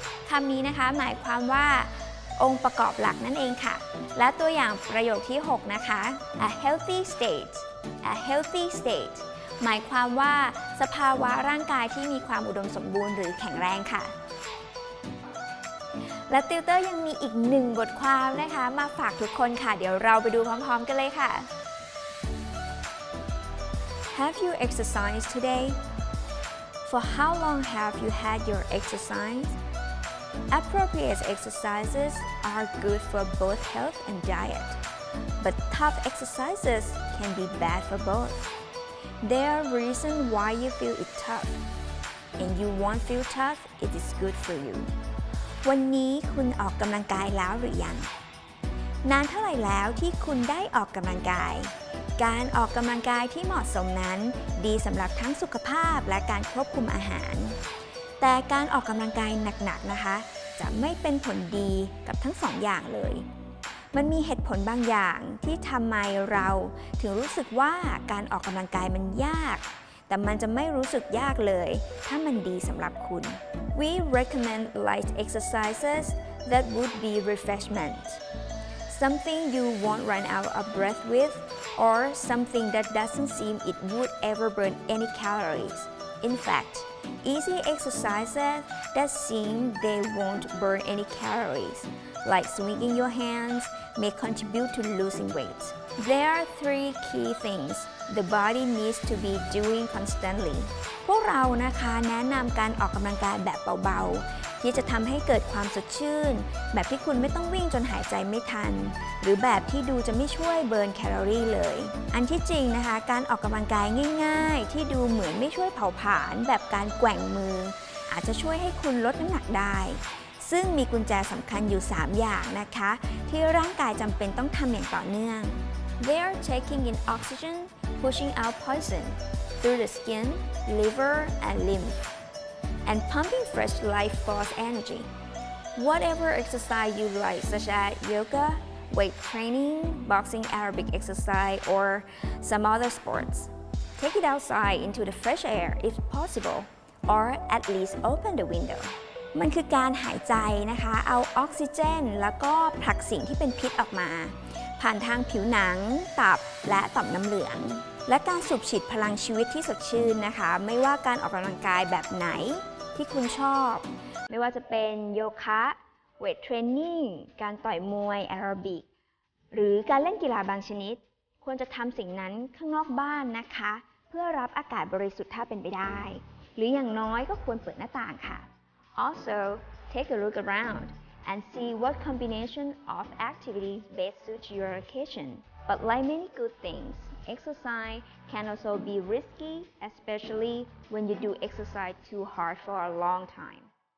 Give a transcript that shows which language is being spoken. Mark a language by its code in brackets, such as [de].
[th] คำนี้นะคะหมายความว่าองค์ประกอบหลักนั่นเองค่ะและตัวอย่างประโยคที่6นะคะ [en] a healthy state [th] หมายความว่าสภาวะร่างกายที่มีความอุดมสมบูรณ์หรือแข็งแรงค่ะและติวเตอร์ยังมีอีก1บทความนะคะมาฝากทุกคนค่ะเดี๋ยวเราไปดูพร้อมๆกันเลยค่ะ [en] Have you exercised today? For how long have you had your exercise? Appropriate exercises are good for both health and diet. But tough exercises can be bad for both. There are reasons why you feel it tough, and you won't feel tough, it is good for you. [th] วันนี้คุณออกกำลังกายแล้วหรือยังนานเท่าไหร่แล้วที่คุณได้ออกกำลังกายการออกกำลังกายที่เหมาะสมนั้นดีสำหรับทั้งสุขภาพและการควบคุมอาหาร แต่การออกกำลังกายหนักๆ นะคะจะไม่เป็นผลดีกับทั้งสองอย่างเลย มันมีเหตุผลบางอย่างที่ทำไมเราถึงรู้สึกว่าการออกกำลังกายมันยากแต่มันจะไม่รู้สึกยากเลยถ้ามันดีสำหรับคุณ [en] We recommend light exercises that would be refreshment something you won't run out of breath with or something that doesn't seem it would ever burn any calories in fact easy exercises that seem they won't burn any caloriesLike swinging your hands may contribute to losing weight. There are three key things the body needs to be doing constantly. [th] พวกเรานะคะแนะนำการออกกำลังกายแบบเบาๆที่จะทำให้เกิดความสดชื่นแบบที่คุณไม่ต้องวิ่งจนหายใจไม่ทันหรือแบบที่ดูจะไม่ช่วยเบิร์นแคลอรี่เลยอันที่จริงนะคะการออกกำลังกายง่ายๆที่ดูเหมือนไม่ช่วยเผาผลาญแบบการแกว่งมืออาจจะช่วยให้คุณลดน้ำหนักได้ ซึ่งมีกุญแจสำคัญอยู่3อย่างนะคะที่ร่างกายจำเป็นต้องทำอย่างต่อเนื่อง [en] They are taking in oxygen, pushing out poison through the skin, liver, and lymph, and pumping fresh life force energy. Whatever exercise you like, such as yoga, weight training, boxing, aerobic exercise, or some other sports. Take it outside into the fresh air if possible, or at least open the window. [th] มันคือการหายใจนะคะเอาออกซิเจนแล้วก็ผลักสิ่งที่เป็นพิษออกมาผ่านทางผิวหนังตับและต่อมน้ำเหลืองและการสูบฉีดพลังชีวิตที่สดชื่นนะคะไม่ว่าการออกกำลังกายแบบไหนที่คุณชอบ ไม่ว่าจะเป็นโยคะเวทเทรนนิ่งการต่อยมวยแอโรบิกหรือการเล่นกีฬาบางชนิดควรจะทำสิ่งนั้นข้างนอกบ้านนะคะเพื่อรับอากาศบริสุทธิ์ถ้าเป็นไปได้หรืออย่างน้อยก็ควรเปิดหน้าต่างค่ะ [en] Also, take a look around and see what combination of activities best suit your occasion. But like many good things, exercise can also be risky, especially when you do exercise too hard for a long time.